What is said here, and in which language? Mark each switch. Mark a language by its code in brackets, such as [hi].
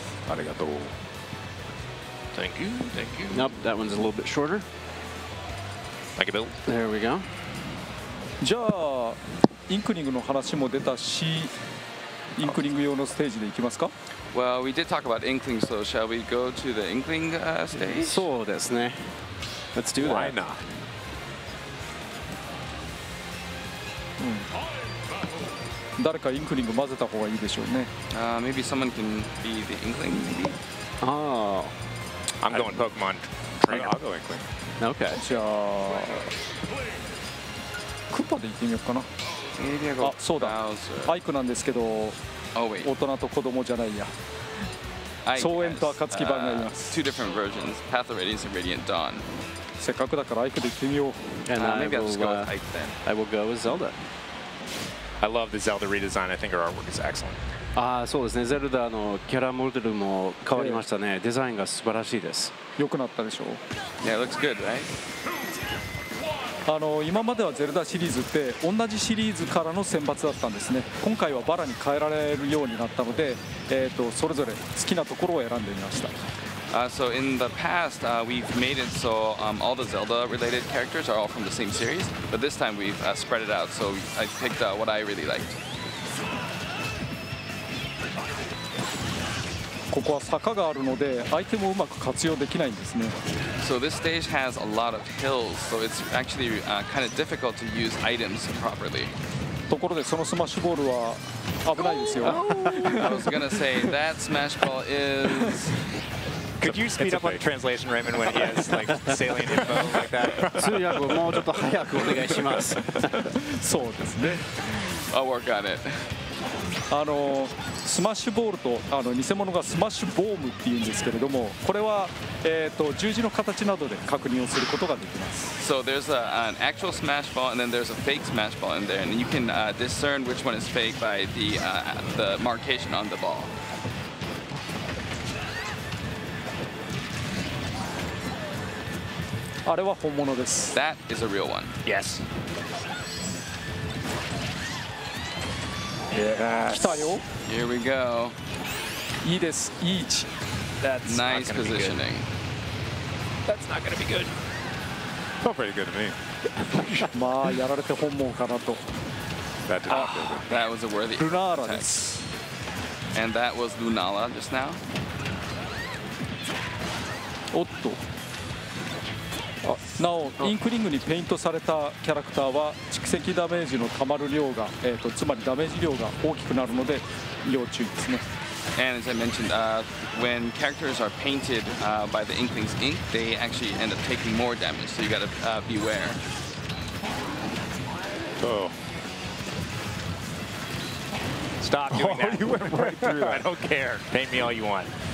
[ja] ありがとう。 [en] Thank you, thank you. Nope, that one's a little bit shorter. Thank you, Bill. There we go. [ja] じゃあ、インクリングの話も出たし、インクリング用のステージで行きますか。 [en] Well, we did talk about Inkling, so shall we go to the Inkling stage? [ja] そうですね。 [en] Let's do that. Why not? [ja] うん。誰かインクリング混ぜた方がいいでしょうね。 [en] Maybe someone can be the inkling, maybe. I'm going Pokemon. I'll go inkling. Okay. [ja] じゃあ、クッパで行ってみようかな。 [en] Maybe I'll go Bowser. [ja] あ、そうだ。アイクなんですけど、大人と子供じゃないや。総演と暁版があります。 [en] Two different versions, Path of Radiance and Radiant Dawn. [ja] せっかくだからアイクで行ってみよう。 [en] And I will go with Zelda. I love the Zelda redesign. I think her artwork is excellent. [ja] ああ、そうですね。ゼルダのキャラモデルも変わりましたね。デザインが素晴らしいです。良くなったでしょう。 [en] Yeah, it looks good, right? [ja] 今まではゼルダシリーズって同じシリーズからの選抜だったんですね。今回はバラに変えられるようになったので、それぞれ好きなところを選んでみました。 [en] So in the past, we've made it so all the Zelda-related characters are all from the same series. But this time, we've spread it out. So I picked what I really liked. [ja] ここは坂があるので、アイテムをうまく活用できないんですね。 [en] So this stage has a lot of hills. So it's actually kind of difficult to use items properly. [ja] ところでそのスマッシュボールは危ないですよ。 [en] I was gonna say that smash ball is. Could you speed up on translation, Raymond, when he has like salient info like that? [ja] 通訳もうちょっと早くお願いします。そうですね。 [en] I'll work on it. [ja] スマッシュボールと偽物がスマッシュボームって言うんですけれども、これは十字の形などで確認をすることができます。 [en] So there's an actual smash ball and then there's a fake smash ball in there, and you can discern which one is fake by the markation on the ball. [ja] あれは本物です。 [en] That is a real one. Yes. Yes. [ja] 来たよ。 [en] Here we go. [ja] いいです。いい位置。 [en] That's nice positioning. That's not gonna be good. Not pretty good to me. [ja] まあやられて本物かなと。 [en] That did not feel good. That was a worthy attack. Lunala です。 And that was Lunala just now. [ja] おっと。なお、インクリングにペイントされたキャラクターは蓄積ダメージのたまる量が、つまりダメージ量が大きくなるので要注意ですね。 [en] And as I mentioned, when characters are painted by the Inkling's ink, they actually end up taking more damage, so you gotta beware. Oh. Stop doing that. Oh, you went right through that. I don't care. Paint me all you want.